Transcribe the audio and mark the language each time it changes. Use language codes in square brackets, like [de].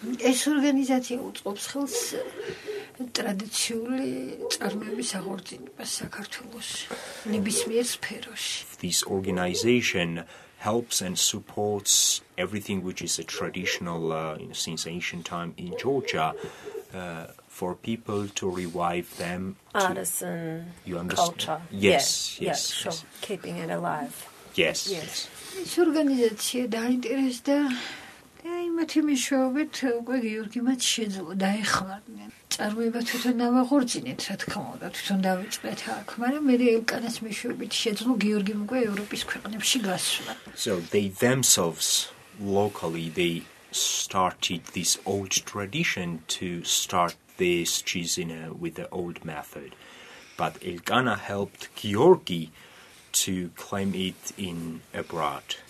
[ka] ეს ორგანიზაცია უწყობს ხელს ტრადიციული წარმოების აღორძინებას საქართველოს ნებისმიერ სფეროში. [en] This organization helps and supports everything which is a traditional since ancient time in Georgia for people to revive them to artisan culture. Yes, keeping it alive. Yes. [ka] ეს ორგანიზაცია დაინტერესდა აი მათი მეშვეობით უკვე გიორგი მათ შეძლო დაეხმარნენ. წარმოება თვითონ ავაღორძინეთ, რა თქმა უნდა, თვითონ დავიწყეთ აქ, მაგრამ მე ელკანას მეშვეობით შეძლო გიორგი უკვე ევროპის ქვეყნებში გასვლა. [en] So they themselves locally they started this old tradition to start this cheese in a with the old method. But Elkana helped Georgi to claim it in abroad.